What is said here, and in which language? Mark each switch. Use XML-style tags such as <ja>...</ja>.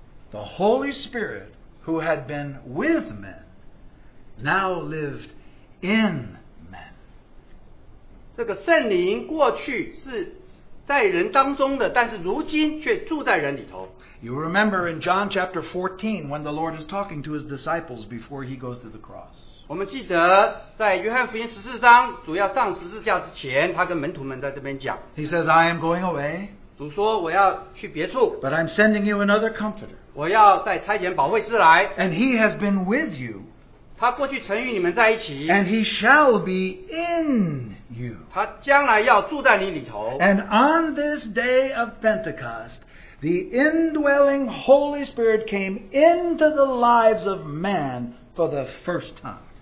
<en>The Holy Spirit who had been with men, now lived in men.</en> <zh>这个圣灵过去是在人当中的，但是如今却住在人里头。</zh> <en>You remember in John chapter 14, when the Lord is talking to his disciples before he goes to the cross.</en> <zh>我们记得在约翰福音14章，主要上十字架之前，他跟门徒们在这边讲。</zh> <en>He says, I am going away.</en> <zh>主说我要去别处。</zh> <en>But I'm sending you another comforter.</en> <zh>我要再差遣保惠师来,</zh> <en>and he has been with you.</en> <zh>他过去曾与你们在一起,</zh> <en>and he shall be in you.</en> <zh>他将来要住在你里头,</zh> <en>and on this day of Pentecost, the indwelling Holy Spirit came into the lives of man for the first time.</en>